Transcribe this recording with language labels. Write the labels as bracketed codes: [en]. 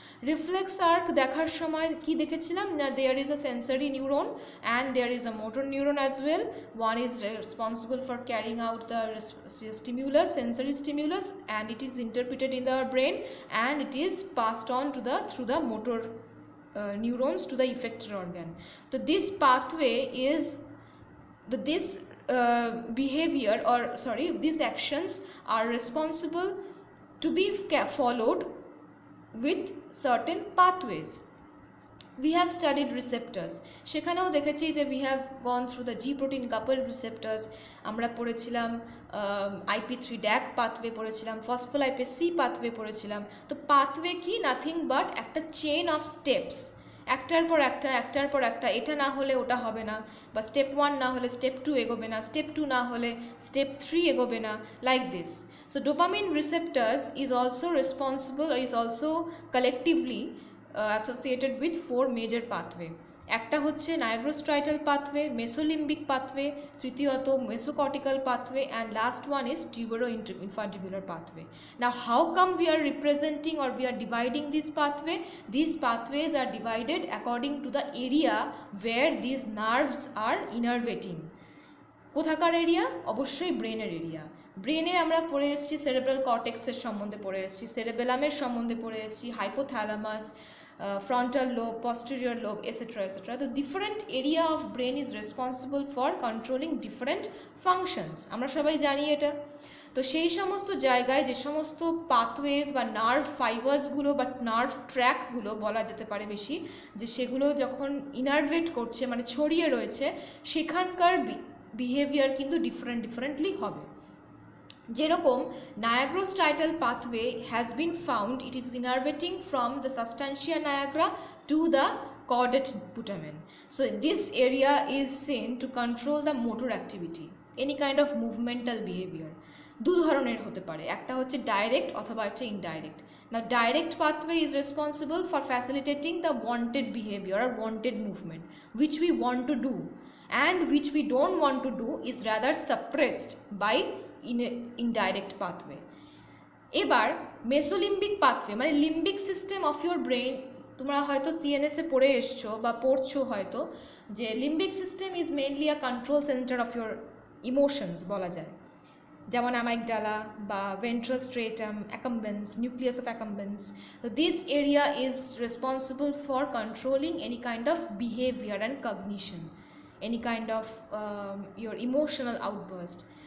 [en] reflex arc [bn] দেখার সময় কী দেখেছিলাম, না [en] There is a sensory neuron and there is a motor neuron as well, one is responsible for carrying out the stimulus, sensory stimulus, and it is interpreted in the our brain and it is passed on to the through the motor neurons to the effector organ. তো this pathway is this behaviour or sorry this actions are responsible to be followed with certain pathways. We have studied receptors. [bn] সেখানেও দেখেছি যে [en] we have gone through the G protein coupled receptors. [bn] আমরা পড়েছিলাম IP3 DAC pathway, পড়েছিলাম phospholipase C pathway, পড়েছিলাম। তো pathway key, [en] nothing but [bn] একটা chain of steps, একটার পর একটা, একটার পর একটা, এটা না হলে ওটা হবে না, বা স্টেপ ওয়ান না হলে স্টেপ টু এগোবে না, স্টেপ টু না হলে স্টেপ থ্রি এগোবে না, [en] Like this. So dopamine receptors is also responsible or is also collectively associated with four major pathway. [bn] Ekta hocche [en] nigrostriatal pathway, mesolimbic pathway, [bn] tritiyoto [en] mesocortical pathway and last one is tuberoinfantibular pathway. Now how come we are representing or we are dividing this pathway? These pathways are divided according to the area where these nerves are innervating. [bn] কোথাকার area? অবশ্যই ব্রেনের area. ব্রেনে আমরা পড়ে এসেছি cerebral কর্টেক্সের সম্বন্ধে, পড়ে এসেছি সেরেবেলামের সম্বন্ধে, পড়ে এসেছি hypothalamus, frontal lobe, posterior lobe, et cetera et cetera. [en] তো different area of brain is responsible for controlling different functions, [bn] আমরা সবাই জানি এটা। তো সেই সমস্ত জায়গায় যে সমস্ত পাথওয়েজ বা নার্ভ ফাইবার্সগুলো বা নার্ভ ট্র্যাকগুলো বলা যেতে পারে বেশি, যে সেগুলো যখন ইনারভেট করছে মানে ছড়িয়ে রয়েছে, সেখানকার বিহেভিয়ার কিন্তু ডিফারেন্ট ডিফারেন্টলি হবে। [en] যেরকম nigrostriatal pathway has been found it is innervating from the substantia nigra to the caudate putamen. So this area is seen to control the motor activity, any kind of movemental behaviour. [bn] দু ধরনের হতে পারে, একটা হচ্ছে ডাইরেক্ট অথবা হচ্ছে indirect. [en] Now, direct pathway is responsible for facilitating the wanted behavior or wanted movement, which we want to do, and which we don't want to do is rather suppressed by indirect pathway. এবার mesolimbic pathway মানে limbic system of your brain, [bn] তোমরা হয়তো সিএনএসে পড়ে এসছো বা পড়ছো হয়তো যে [en] Limbic system is mainly a control centre of your emotions বলা যায়, যেমন amygdala বা ventral striatum, accumbens, nucleus of accumbens, this area is responsible for controlling any kind of behaviour and cognition, any kind of your emotional outburst.